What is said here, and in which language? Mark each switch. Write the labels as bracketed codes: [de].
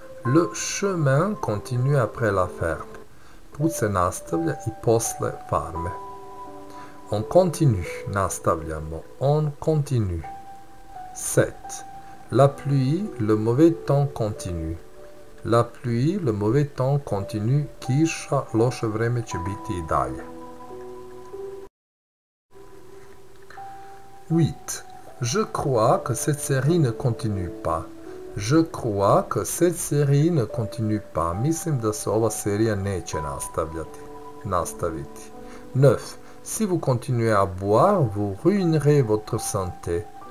[fr] Le chemin continue après la ferme. [sr] Put se nastavlja i posle farme. [fr] On continue, [sr] nastavljamo. [fr] On continue. 7. La pluie, le mauvais temps continue. La pluie, le mauvais temps continue. [sr] Kiša, loše vreme će biti i dalje. [fr] 8. Je crois que cette série ne continue pas. Je crois que cette série ne continue pas. [sr] Mislim da se ova serija neće nastaviti. 9. [fr] Si vous continuez à boire, vous ruinerez votre santé.